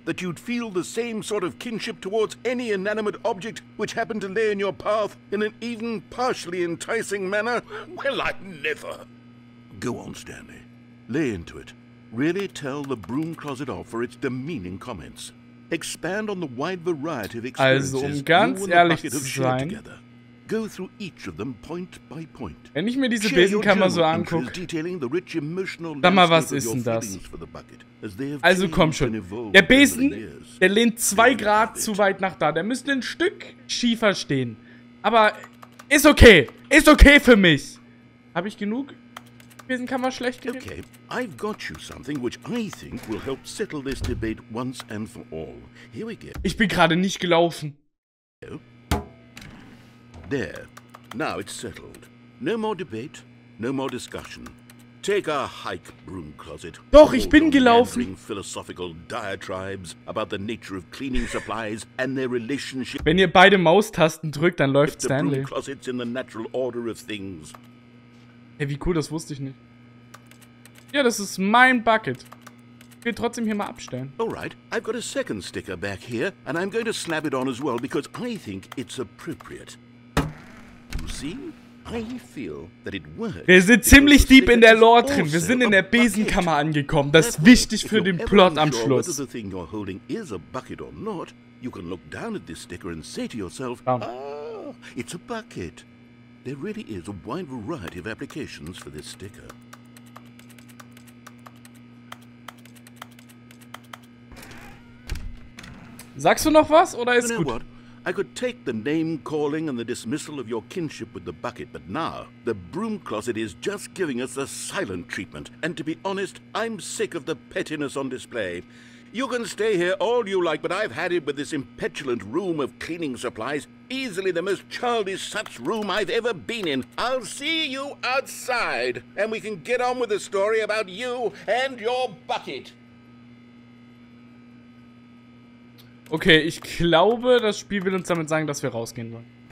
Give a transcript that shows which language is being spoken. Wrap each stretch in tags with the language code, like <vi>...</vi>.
<en>that you'd feel the same sort of kinship towards any inanimate object which happened to lay in your path in an even partially enticing manner? Well, I never! Go on, Stanley. Lay into it. Really tell the broom closet off for its demeaning comments. Expand on the wide variety of experiences</en> <de>also, ganz</de> <en>you and the bucket have shared together. Go through each of them point by point.</en> <de>Wenn ich mir diese share Besenkammer so anguck,</de> <en>detailing the rich emotional</en> <de>sag mal, was ist denn das? Bucket, also komm schon. Der Besen, der lehnt 2 Grad zu weit nach da. Der müsste ein Stück schiefer stehen. Aber ist okay. Ist okay für mich. Habe ich genug? Kann man schlecht gehen.</de> <en>Okay, I've got you something which I think will help settle this debate once and for all. Here we go.</en> <de>Ich bin gerade nicht gelaufen.</de> <en>There. Now it's settled. No more debate, no more discussion. Take a hike, broom closet.</en> <de>Doch, ich bin gelaufen.</de> <en>Philosophical diatribes about the nature of cleaning supplies and their relationship.</en> <de>Wenn ihr beide Maustasten drückt, dann läuft Stanley.</de> <en>The broom closet's in the natural order of things.</en> <de>Hey, wie cool, das wusste ich nicht. Ja, das ist mein Bucket. Ich will trotzdem hier mal abstellen.</de> <en>Alright, I've got a second sticker back here and I'm going to slap it on as well because I think it's appropriate. You see? I feel that it works.</en> <de>Wir sind ziemlich deep in der Lore drin. Wir sind in der Besenkammer angekommen. Das ist wichtig für den Plot am Schluss.</de> <en>Whether the thing you're holding is a bucket or not, you can look down at this sticker and say to yourself, it's a bucket. There really is a wide variety of applications for this sticker.</en> <de>Sagst du noch was oder ist</de> <en>you know</en> <de>gut?</de> <en>What? I could take the name calling and the dismissal of your kinship with the bucket, but now the broom closet is just giving us the silent treatment. And to be honest, I'm sick of the pettiness on display. You can stay here all you like, but I've had it with this impetulant room of cleaning supplies. Easily the most childish such room I've ever been in. I'll see you outside, and we can get on with the story about you and your bucket.</en> <de>Okay, ich glaube, das Spiel will uns damit sagen, dass wir rausgehen sollen.</de>